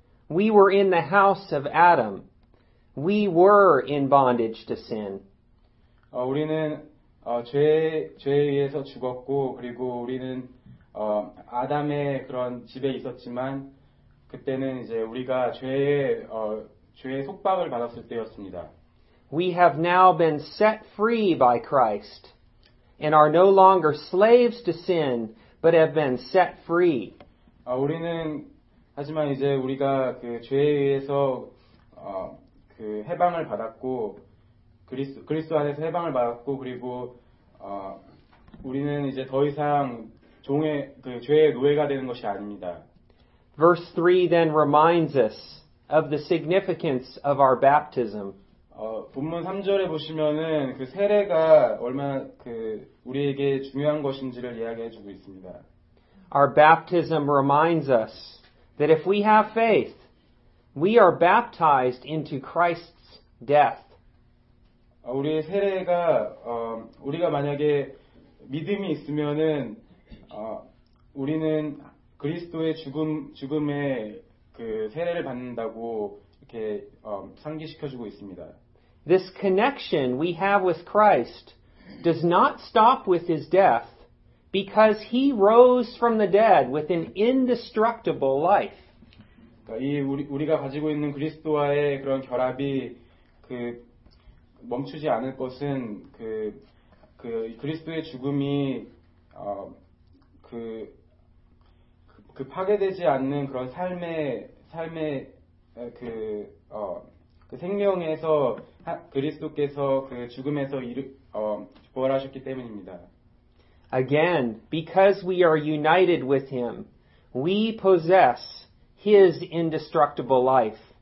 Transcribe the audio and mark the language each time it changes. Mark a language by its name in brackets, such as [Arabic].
[English] We were in the house of Adam. We were in bondage to sin. [Korean] 우리는 죄에 의해서 죽었고 그리고 우리는 아담의 그런 집에 있었지만 그때는 이제 우리가 죄의 속박을 받았을 때였습니다. [English] We have now been set free by Christ and are no longer slaves to sin, but have been set free. [Korean] 하지만 이제 우리가 그 죄에 의해서 그 해방을 받았고 그리스도 안에서 해방을 받았고 그리고 우리는 이제 더 이상 죄의 노예가 되는 것이 아닙니다. [English] Verse 3 then reminds us of the significance of our baptism. [Korean] 본문 3절에 보시면은 그 세례가 얼마나 그 우리에게 중요한 것인지를 이야기해 주고 있습니다. [English] Our baptism reminds us that if we have faith, we are baptized into Christ's death. [Korean] 우리의 세례가 우리가 만약에 믿음이 있으면은 우리는 그리스도의 죽음의 그 세례를 받는다고 이렇게 상기시켜 주고 있습니다. [English] This connection we have with Christ does not stop with his death because he rose from the dead with an indestructible life. [Korean] 그러니까 우리가 가지고 있는 그리스도와의 그런 결합이 그 멈추지 않을 것은 그 그리스도의 죽음이 그 파괴되지 않는 그런 삶의 그 생명에서 그리스도께서 그 죽음에서 부활하셨기 때문입니다. [English] Again, because we are united with him, we possess his indestructible life.